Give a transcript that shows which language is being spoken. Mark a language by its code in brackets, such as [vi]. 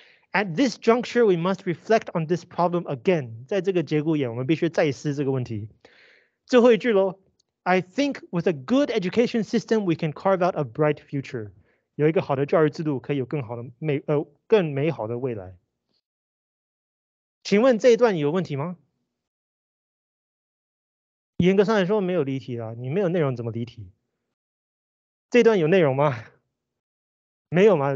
[en] At this juncture, we must reflect on this problem again. [zh] 在这个节骨眼，我们必须再思这个问题。最后一句咯。 [en] I think with a good education system, we can carve out a bright future. [zh] 有一个好的教育制度，可以有更好的更美好的未来。请问这一段有问题吗？严格上来说没有离题啦，你没有内容怎么离题？这段有内容吗？没有吗？